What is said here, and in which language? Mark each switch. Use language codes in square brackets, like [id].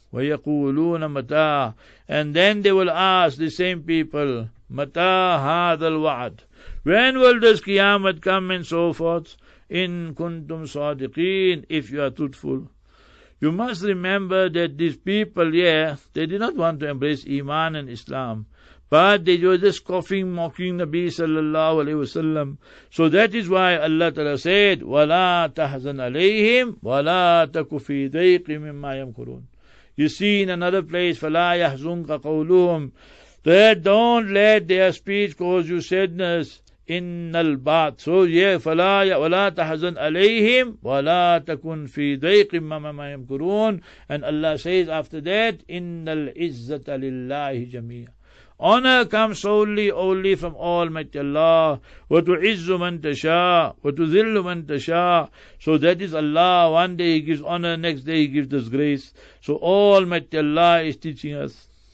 [ar] Wa yaquluna mata, [en] and then they will ask the same people, [ar] mata hadhal wa'd, [en] when will this qiyamah come and so forth. [ar] In kuntum sadiqeen, [en] if you are truthful. You must remember that these people, yeah, they did not want to embrace iman and Islam. But they were just scoffing, mocking Nabi sallallahu alayhi wa sallam. So that is why Allah Ta'ala said, [ar] وَلَا تَحْزَنْ عَلَيْهِمْ وَلَا تَكُفِي دَيْقِ مِمَّا يَمْكُرُونَ. [en] You see in another place, [ar] فَلَا يَحْزُنْكَ قَوْلُهُمْ. [en] That don't let their speech cause you sadness. [ar] إِنَّ الْبَعْثِ. [en] So yeah, [ar] وَلَا تَحْزَنْ عَلَيْهِمْ وَلَا تَكُنْ فِي دَيْقِ مَمَا يَمْكُرُونَ. [en] And Allah says after that, [ar] إِنَّ الْعِزَّةَ لِلَّهِ جَمِيعًا. [en] Honor comes solely, only from Almighty Allah. [ar] وَتُعِزُّ مَنْ تَشَاءُ وَتُذِلُّ مَنْ تَشَاءُ. [en] So that is Allah. One day He gives honor, next day He gives disgrace. So Almighty Allah is teaching us.